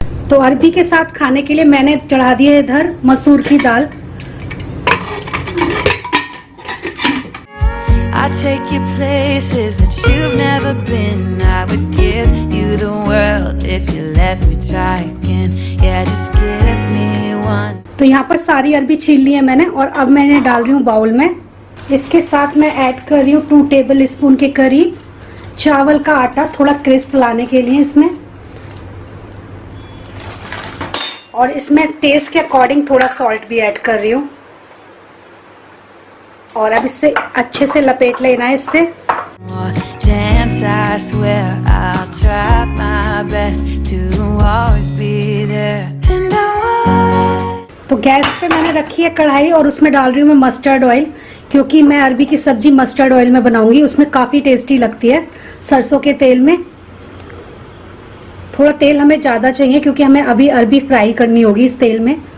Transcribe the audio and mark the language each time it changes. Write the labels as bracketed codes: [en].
[hi] तो अरबी के साथ खाने के लिए मैंने चढ़ा दिया इधर मसूर की दाल। [en] I take you places that you've never been. I would give you the world if you let me try again. Yeah, just give me one. [hi] तो यहाँ पर सारी अरबी छील ली है मैंने, और अब मैं इन्हें डाल रही हूँ बाउल में। इसके साथ मैं ऐड कर रही हूँ 2 टेबल स्पून के करीब चावल का आटा, थोड़ा क्रिस्प लाने के लिए इसमें, और इसमें टेस्ट के अकॉर्डिंग थोड़ा सॉल्ट भी ऐड कर रही हूँ। और अब इसे अच्छे से लपेट लेना है इससे। [en] Chance, I swear, I'll try my best to always be there in the world. [hi] तो गैस पे मैंने रखी है कढ़ाई, और उसमें डाल रही हूँ मैं मस्टर्ड ऑयल, क्योंकि मैं अरबी की सब्जी मस्टर्ड ऑयल में बनाऊंगी, उसमें काफी टेस्टी लगती है, सरसों के तेल में। थोड़ा तेल हमें ज्यादा चाहिए क्योंकि हमें अभी अरबी फ्राई करनी होगी इस तेल में।